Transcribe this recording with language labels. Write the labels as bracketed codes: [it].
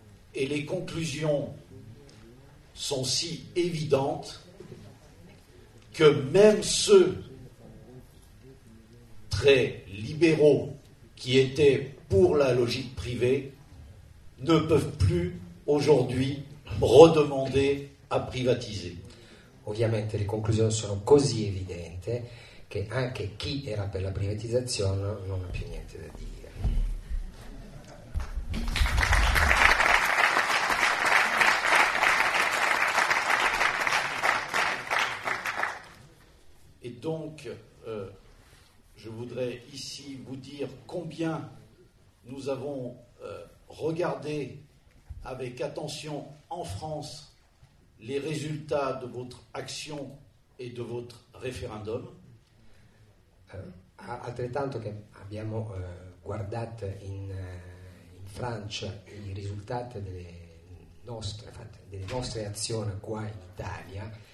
[it] E le conclusioni sono si evidenti che [fr] même ceux très libéraux qui étaient pour la logique privée ne peuvent plus aujourd'hui redemander à privatiser. [it] Ovviamente le conclusioni sono così evidenti che anche chi era per la privatizzazione non ha più niente da dire. [fr] Et donc je voudrais ici vous dire combien nous avons regardé avec attention en France les résultats de votre action et de votre référendum. [it] Altrettanto che abbiamo guardato in Francia i risultati delle nostre azioni qua in Italia